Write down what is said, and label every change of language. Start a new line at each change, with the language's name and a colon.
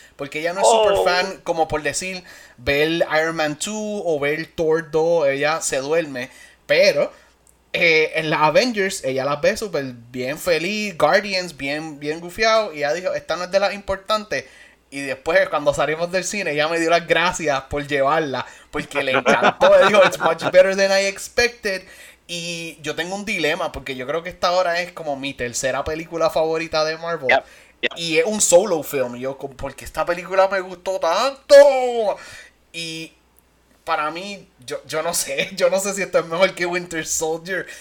Spanish: Porque ella no es super fan, como por decir, ver Iron Man 2 o ver Thor 2, ella se duerme. Pero en las Avengers, ella las ve súper bien feliz, Guardians, bien, bien gufiado. Y ella dijo, esta no es de las importantes. Y después, cuando salimos del cine, ella me dio las gracias por llevarla. Porque le encantó. Ella dijo,
English: it's much better than I expected.
Spanish: Y yo tengo un dilema, porque yo creo que esta ahora es como mi tercera película favorita de Marvel. Yep, yep. Y es un solo film. Y yo, ¿por qué esta película me gustó tanto? Y... para mí, yo no sé si esto es mejor que Winter Soldier.